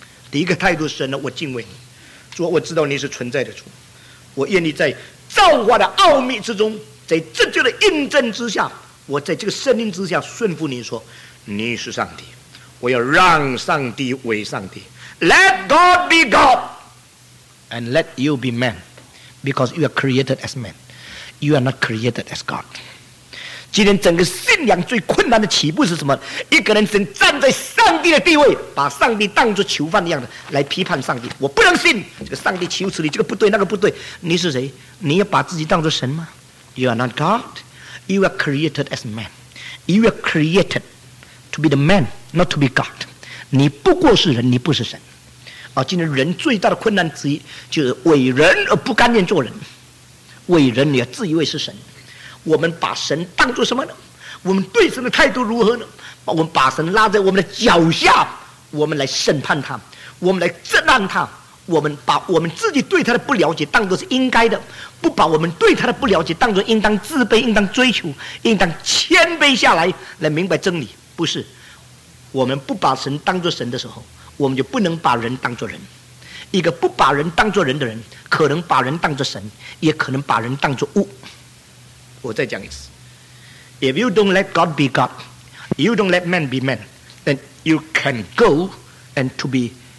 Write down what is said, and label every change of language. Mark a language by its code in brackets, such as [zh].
[zh] 第一个态度是，神啊，我敬畏你，主，我知道你是存在的主，我愿意在造化的奥秘之中，在这就的印证之下，我在这个声音之下顺服你，说你是上帝，我要让上帝为上帝。 [en] Let God be God and let you be man, because you are created as man, you are not created as God。 [zh] 今天整个信仰最困难的起步是什么？一个人只能站在上帝的地位，把上帝当作囚犯的样子来批判上帝。我不能信这个上帝囚处理这个不对那个不对。你是谁？你要把自己当作神吗？ [en] You are not God, you are created as man, you are created to be the man,not to be God， [zh] 你不过是人，你不是神。啊，今天人最大的困难之一就是伟人而不甘愿做人，伟人也自以为是神。我们把神当作什么呢？我们对神的态度如何呢？我们把神拉在我们的脚下，我们来审判他，我们来责难他，我们把我们自己对他的不了解当作是应该的，不把我们对他的不了解当作应当自卑、应当追求、应当谦卑下来来明白真理。不是，我们不把神当作神的时候，我们就不能把人当作人。一个不把人当作人的人，可能把人当作神，也可能把人当作物。我再讲一次， [en] If you don't let God be God, you don't let man be man, then you can go and to be